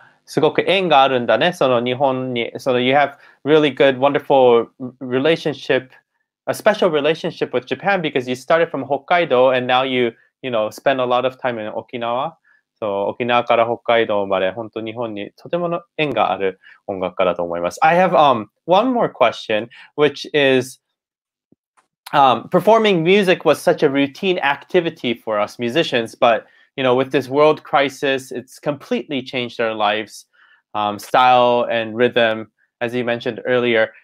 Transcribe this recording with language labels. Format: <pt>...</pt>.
<ja>すごく縁があるんだね、その日本に。</ja> <en>その You have really good, wonderful relationship, a special relationship with Japan because you started from Hokkaido and now you, you know, spend a lot of time in Okinawa.</en> <ja>So, 沖縄から北海道まで、本当に日本にとても縁がある音楽家だと思います。</ja> <en>I have one more question, which is performing music was such a routine activity for us musicians, but you know, with this world crisis, it's completely changed our lives, style and rhythm, as you mentioned earlier.</en>